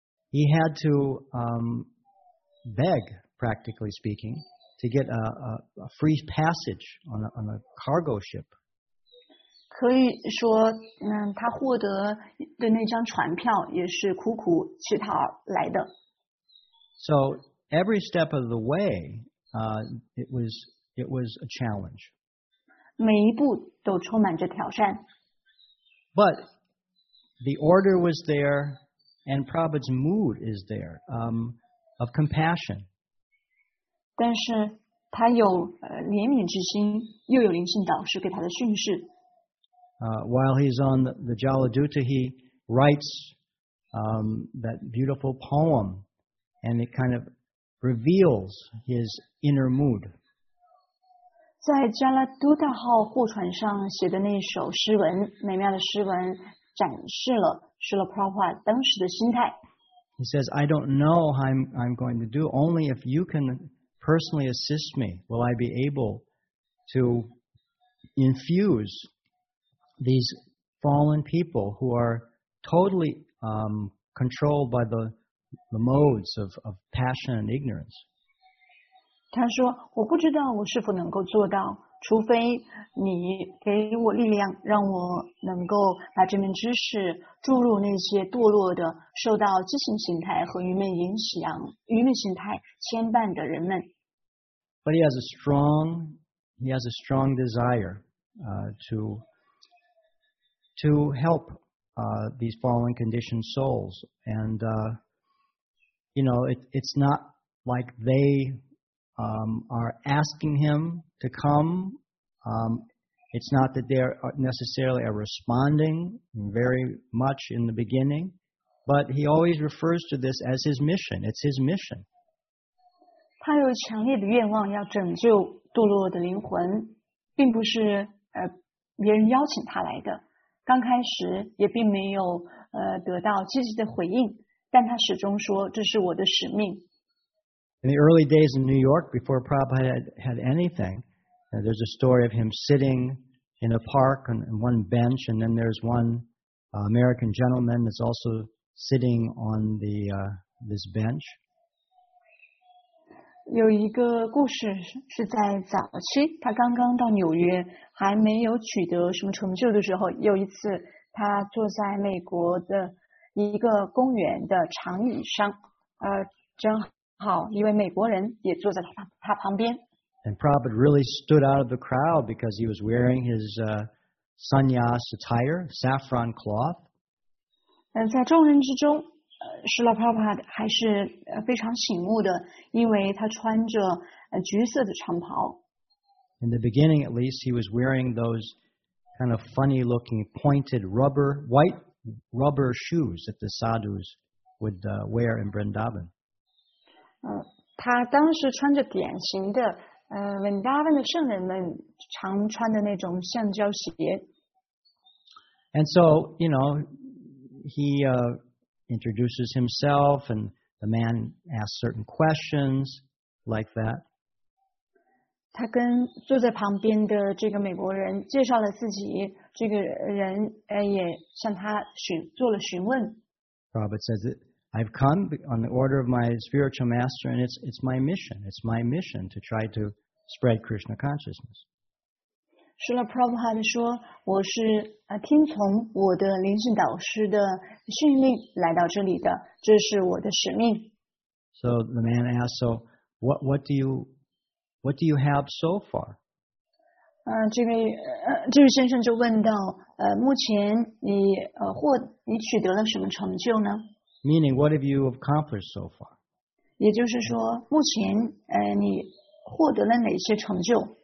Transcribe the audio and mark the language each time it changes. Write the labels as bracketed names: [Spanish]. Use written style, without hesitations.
[English] He had to beg, practically speaking, to get a free passage on a cargo ship. [Chinese] 可以说，他获得的那张船票也是苦苦乞讨来的。 [English] So every step of the way, it was a challenge. [Chinese] 每一步都充满着挑战。 [English] But the order was there, and Prabhupada's mood is there, of compassion. [Chinese] 但是他有怜悯之心，又有灵性导师给他的训示。 [English] While he's on the Jaladuta, he writes that beautiful poem, and it kind of reveals his inner mood. [Chinese] 在加拉杜塔号货船上写的那首诗文，美妙的诗文。展示了Srila Prabhupada当时的心态。 [English] He says, I don't know how I'm going to do. Only if you can personally assist me will I be able to infuse these fallen people who are totally controlled by the modes of passion and ignorance. [Chinese] 他说，我不知道我是否能够做到。除非你给我力量，让我能够把这门知识注入那些堕落的、受到畸形心态和愚昧影响、愚昧心态牵绊的人们。 [English] But he has a strong desire, to help, these fallen conditioned souls, and, you know, it's not like they, are asking him to come. It's not that they're necessarily are responding very much in the beginning, but he always refers to this as his mission. It's his mission. [Chinese] 他有强烈的愿望要拯救堕落的灵魂，并不是别人邀请他来的。刚开始也并没有得到积极的回应，但他始终说这是我的使命。 [English] In the early days in New York, before Prabhupada had anything,And there's a story of him sitting in a park on one bench, and then there's one American gentleman that's also sitting on this bench. [Chinese] 有一个故事是在早期，他刚刚到纽约，还没有取得什么成就的时候，有一次他坐在美国的一个公园的长椅上，正好一位美国人也坐在他旁边。 [English] And Prabhupada really stood out of the crowd because he was wearing his sannyas attire, saffron cloth. [Chinese] And 在众人之中，施拉帕帕还是非常醒目的，因为他穿着橘色的长袍。 [English] In the beginning, at least, he was wearing those kind of funny-looking pointed rubber, white rubber shoes that the sadhus would wear in Vrindavan. [Chinese] 他当时穿着典型的Vrindavan 的圣人们常穿的那种橡胶鞋。 [English] And so, you know, he introduces himself, and the man asks certain questions like that. [Chinese] 他跟坐在旁边的这个美国人介绍了自己，这个人也向他做了询问。 [English] Prabhupada says, I've come on the order of my spiritual master, and it's my mission. It's my mission to try to spread Krishna consciousness. [Chinese] 是了 Prabhupada 说我是听从我的灵性导师的训令来到这里的，这是我的使命。 [English] So the man asked, so what do you have so far? [Chinese] 这位先生就问到目前你取得了什么成就呢？ [English] Meaning, what have you accomplished so far? [Chinese] 也就是说目前你获得了哪些成就？